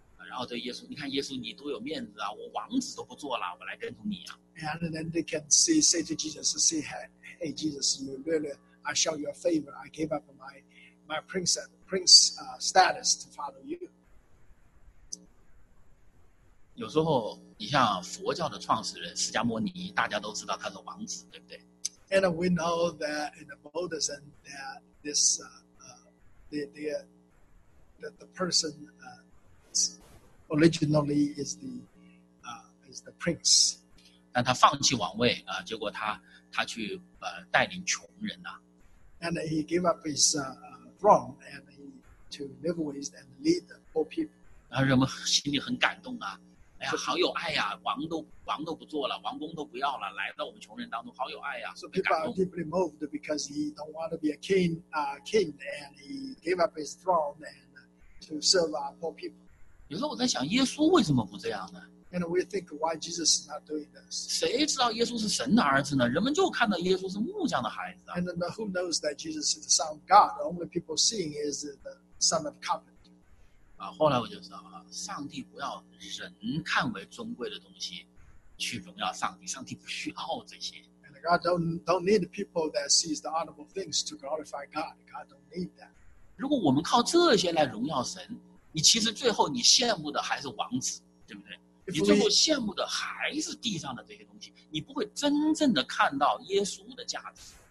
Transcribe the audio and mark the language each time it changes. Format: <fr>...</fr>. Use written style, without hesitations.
<zh>然后对耶稣，你看耶稣，你多有面子啊！我王子都不做了，我来跟从你啊。</zh> <en>And then they can say to Jesus, say, hey, Jesus, you really, I show you a favor. I gave up my prince status to follow you.</en> <zh>有时候，你像佛教的创始人释迦牟尼，大家都知道他是王子，对不对？</zh> <en>And we know that in the Buddhism that this the person originally is the prince.</en> <zh>但他放弃王位啊，结果他去带领穷人呐。</zh> <en>And he gave up his throne and to live with and lead the poor people.</en> <zh>然后人们心里很感动啊。哎呀，好有爱呀！王都不做了，王宫都不要了，来到我们穷人当中，好有爱呀！</zh> <en>So people are deeply moved because he don't want to be a king, king, and he gave up his throne and to serve our poor people.</en> <zh>有时候我在想，耶稣为什么不这样呢</zh> <en>？And we think why Jesus is not doing this.</en> <zh>谁知道耶稣是神的儿子呢？人们就看到耶稣是木匠的孩子。</zh> <en>And who knows that Jesus is the son of God? The only people seeing is the son of God.</en> <zh>后来我就知道啊，上帝不要人看为尊贵的东西去荣耀上帝，上帝不需要这些。</zh> <en>And God don't need people that sees the honorable things to glorify God. God don't need that.</en> <zh>如果我们靠这些来荣耀神，你其实最后你羡慕的还是王子，对不对？你最后羡慕的还是地上的这些东西，你不会真正的看到耶稣的价值。</zh>